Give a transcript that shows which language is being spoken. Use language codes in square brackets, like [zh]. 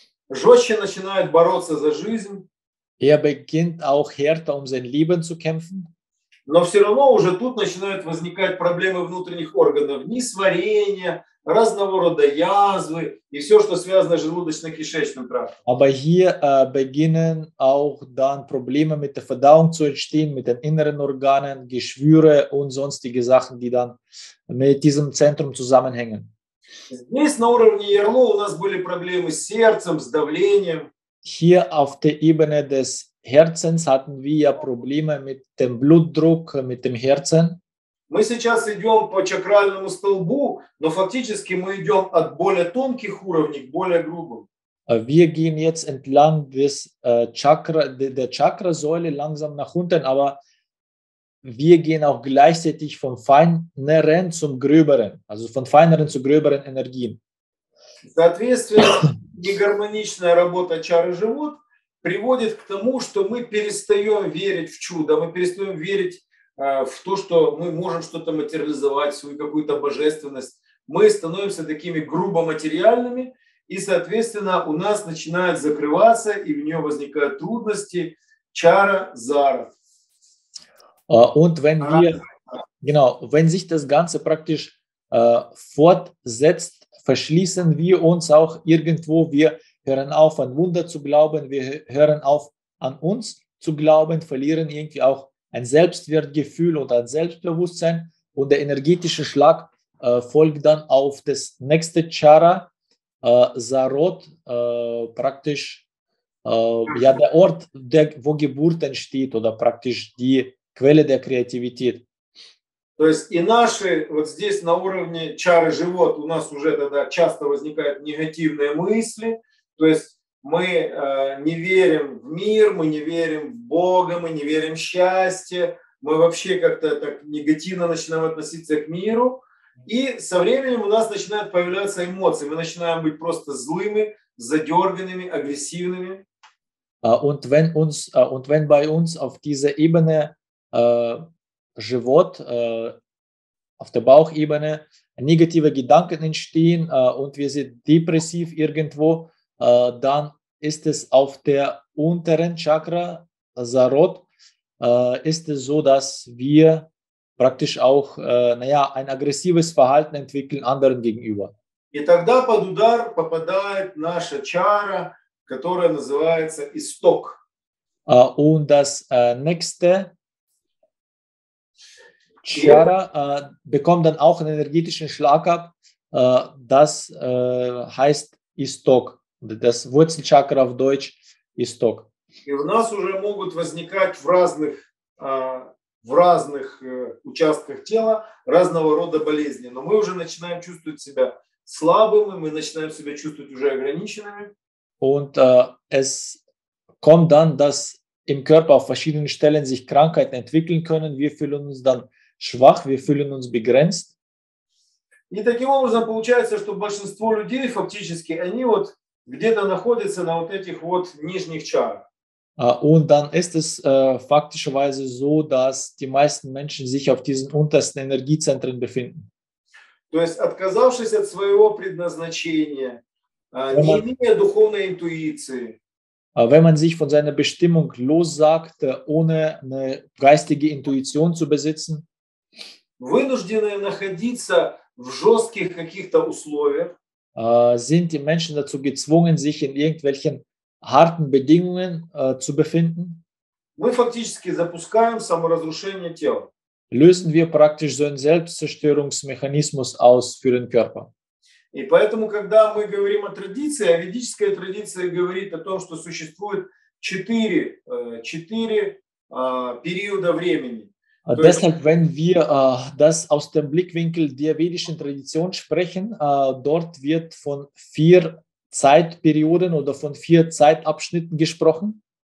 [ru] Жестче начинает бороться за жизнь. [de] Er beginnt auch härter, um sein Leben zu kämpfen. [ru] Но все равно уже тут начинают возникать проблемы внутренних органов. Несварение, разного рода язвы и все, что связано с желудочно-кишечным трактом. [de] Aber hier beginnen auch dann Probleme mit der Verdauung zu entstehen, mit den inneren Organen, Geschwüre und sonstige Sachen, die dann mit diesem Zentrum zusammenhängen. [ru] Здесь на уровне ярло у нас были проблемы с сердцем, с давлением. [de] Hier auf der Ebene des Herzens hatten wir ja Probleme mit dem Blutdruck, mit dem Herzen. [ru] Мы сейчас идем по чакральному столбу, но фактически мы идем от более тонких уровней к более грубым. [de] Wir gehen jetzt entlang des Chakra, der Chakrasäule langsam nach unten, aber wir gehen auch gleichzeitig vom Feineren zum Gröberen, also von feineren zu gröberen Energien. [ru] Соответственно, негармоничная работа чары живот приводит к тому, что мы перестаем верить в чудо, мы перестаем верить в то, что мы можем что-то материализовать, свою какую-то божественность. Мы становимся такими грубо материальными, и, соответственно, у нас начинает закрываться, и в нее возникают трудности чара зара. [de] Und wenn wir, genau, wenn sich das Ganze praktisch fortsetzt, verschließen wir uns auch irgendwo, wir hören auf, an Wunder zu glauben, wir hören auf, an uns zu glauben, verlieren irgendwie auch ein Selbstwertgefühl und ein Selbstbewusstsein und der energetische Schlag folgt dann auf das nächste Chara, Sarot, praktisch ja, der Ort, der, wo Geburt entsteht oder praktisch die Quelle der Kreativität. [ru] То есть и наши, вот здесь на уровне чары живот у нас уже тогда часто возникают негативные мысли, то есть мы не верим в мир, мы не верим в Бога, мы не верим в счастье, мы вообще как-то так негативно начинаем относиться к миру, и со временем у нас начинают появляться эмоции, мы начинаем быть просто злыми, задерганными, агрессивными. [de] Und wenn bei uns auf dieser Ebene Живот, auf der Bauchebene, negative Gedanken entstehen und wir sind depressiv irgendwo, dann ist es auf der unteren Chakra, Sarot, ist es so, dass wir praktisch auch naja, ein aggressives Verhalten entwickeln anderen gegenüber. [ru] И тогда под удар попадает наша чара, которая называется исток. [de] Und das nächste Chara bekommt dann auch einen energetischen Schlag ab, das heißt Istok, das Wurzelchakra auf Deutsch Istok. [ru] И у нас уже могут возникать в разных участках тела разного рода болезни, но мы уже начинаем чувствовать себя слабыми, мы начинаем себя чувствовать уже ограниченными. [de] Und es kommt dann, dass im Körper auf verschiedenen Stellen sich Krankheiten entwickeln können, wir fühlen uns dann schwach, wir fühlen uns begrenzt. [ru] И таким образом получается, что большинство людей фактически, они вот где-то находятся на вот этих вот нижних чарах. [de] Und dann ist es faktischerweise so, dass die meisten Menschen sich auf diesen untersten Energiezentren befinden. [ru] То есть, отказавшись от своего предназначения, не имея духовной интуиции. [de] Wenn man sich von seiner Bestimmung lossagt, ohne eine geistige Intuition zu besitzen, [ru] вынуждены находиться в жестких каких-то условиях. [de] Sind die Menschen dazu gezwungen, sich in irgendwelchen harten Bedingungen zu befinden? [ru] Мы фактически запускаем саморазрушение тела. [de] Lösen wir praktisch so einen Selbstzerstörungsmechanismus aus für den Körper. [ru] И поэтому, когда мы говорим о традиции, а ведическая традиция говорит о том, что существует четыре периода времени. [de] Deshalb, wenn wir das aus dem Blickwinkel der vedischen Tradition sprechen, dort wird von vier Zeitperioden oder von vier Zeitabschnitten gesprochen.